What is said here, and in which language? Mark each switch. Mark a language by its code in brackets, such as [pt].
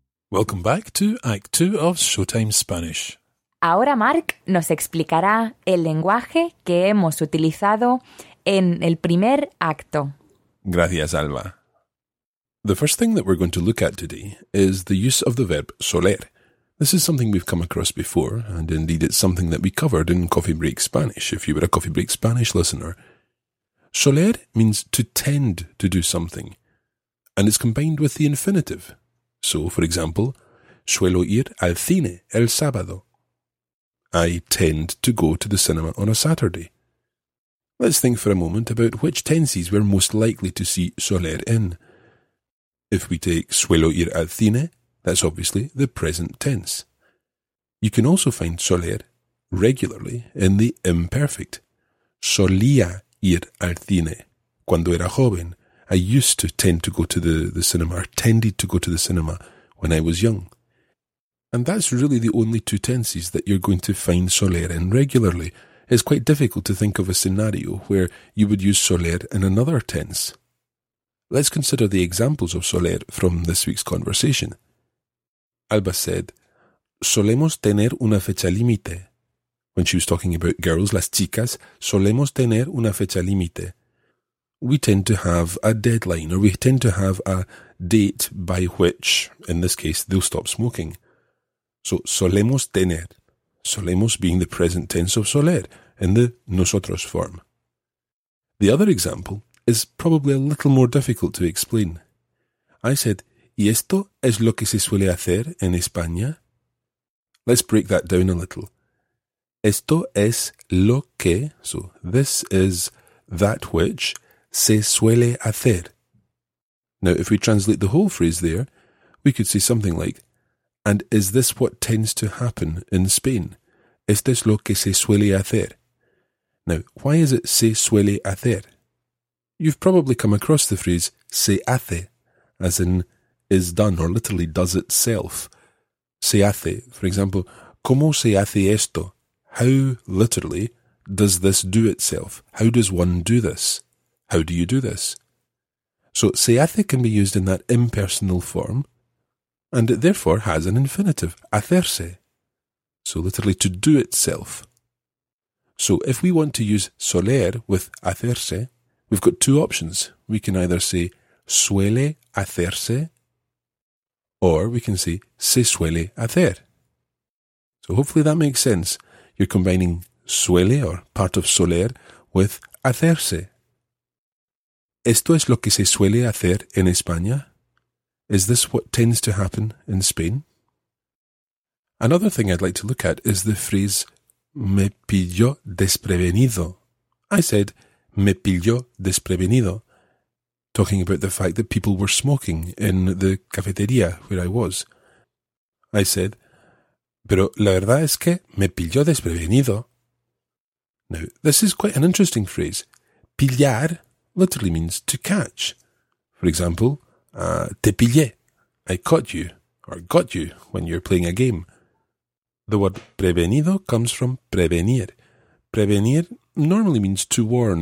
[en] Welcome back to Act 2 of Showtime Spanish. [es] Ahora Mark nos explicará el lenguaje que hemos utilizado en el primer acto. Gracias, Alba. [en] The first thing that we're going to look at today is the use of the verb soler. This is something we've come across before, and indeed it's something that we covered in Coffee Break Spanish, if you were a Coffee Break Spanish listener. Soler means to tend to do something, and it's combined with the infinitive. So, for example, [es] suelo ir al cine el sábado. [en] I tend to go to the cinema on a Saturday. Let's think for a moment about which tenses we're most likely to see soler in. If we take [es] suelo ir al cine, [en] that's obviously the present tense. You can also find soler regularly in the imperfect. [es] Solía ir al cine cuando era joven. [en] I used to tend to go to the cinema, or tended to go to the cinema when I was young. And that's really the only two tenses that you're going to find soler in regularly. It's quite difficult to think of a scenario where you would use soler in another tense. Let's consider the examples of soler from this week's conversation. Alba said, [es] solemos tener una fecha límite. [en] When she was talking about girls, [es] las chicas, solemos tener una fecha límite. [en] We tend to have a deadline, or we tend to have a date by which, in this case, they'll stop smoking. So, [es] solemos tener. [en] Solemos being the present tense of soler in the nosotros form. The other example is probably a little more difficult to explain. I said, [es] ¿y esto es lo que se suele hacer en España? [en] Let's break that down a little. [es] Esto es lo que, [en] so this is that which, [es] se suele hacer. [en] Now, if we translate the whole phrase there, we could say something like, and is this what tends to happen in Spain? [es] ¿Esto es lo que se suele hacer? [en] Now, why is it se suele hacer? You've probably come across the phrase [es] se hace, [en] as in is done, or literally does itself. [es] Se hace, [en] for example, [es] ¿cómo se hace esto? [en] How, literally, does this do itself? How does one do this? How do you do this? So, [es] se hace [en] can be used in that impersonal form, and it therefore has an infinitive, hacerse. So, literally, to do itself. So, if we want to use soler with hacerse, we've got two options. We can either say, [es] suele hacerse, [en] or we can say, [es] se suele hacer. [en] So, hopefully that makes sense. You're combining suele, or part of soler, with hacerse. [es] ¿Esto es lo que se suele hacer en España? [en] Is this what tends to happen in Spain? Another thing I'd like to look at is the phrase [es] me pilló desprevenido. [en] I said [es] me pilló desprevenido, [en] talking about the fact that people were smoking in the cafetería where I was. I said, [es] pero la verdad es que me pilló desprevenido. [en] Now, this is quite an interesting phrase. Pillar literally means to catch. For example, [es] te pillé, [en] I caught you, or got you, when you're playing a game. The word prevenido comes from prevenir. Prevenir normally means to warn.